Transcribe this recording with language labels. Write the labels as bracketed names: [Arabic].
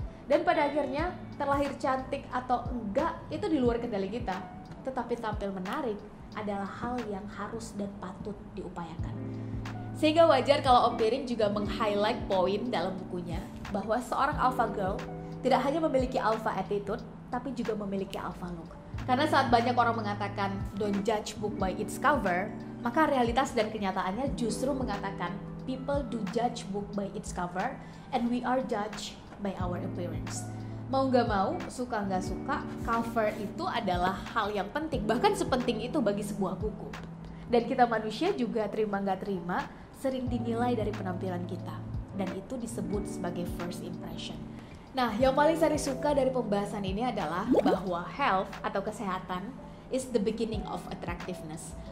[Indonesian] Dan pada akhirnya, terlahir cantik atau enggak itu di luar kendali kita, tetapi tampil menarik adalah hal yang harus dan patut diupayakan. Sehingga wajar kalau Om Piring juga meng-highlight poin dalam bukunya bahwa seorang alpha girl tidak hanya memiliki alpha attitude, tapi juga memiliki alpha look. Karena saat banyak orang mengatakan [English] don't judge book by its cover, [Indonesian] maka realitas dan kenyataannya justru mengatakan [English] people do judge book by its cover and we are judged by our appearance. [Indonesian] Mau gak mau, suka gak suka, cover itu adalah hal yang penting, bahkan sepenting itu bagi sebuah buku. Dan kita manusia juga terima gak terima, sering dinilai dari penampilan kita. Dan itu disebut sebagai first impression. Nah, yang paling saya suka dari pembahasan ini adalah bahwa health atau kesehatan [English] is the beginning of attractiveness.